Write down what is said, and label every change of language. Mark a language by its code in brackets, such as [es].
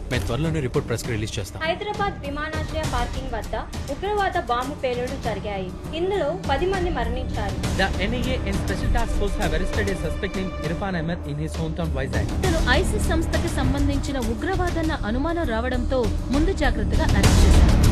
[te] మేము త్వరలోనే report press కి రిలీజ్ చేస్తాం. హైదరాబాద్ విమానాశ్రయ పార్కింగ్ వద్ద ఉగ్రవాద బాంబు పేలుడు జరిగాయి. ఇందులో 10 మంది మరణించారు. [en] The NIA and Special Task Force have arrested a suspect named Irfan Ahmed in his hometown Vizag. [te] ఇతను ఐసిస్ సంస్థకి సంబంధించిన ఉగ్రవాదన్న అనుమానం రావడంతో ముందు జాగ్రత్తగా అరెస్ట్ చేశారు.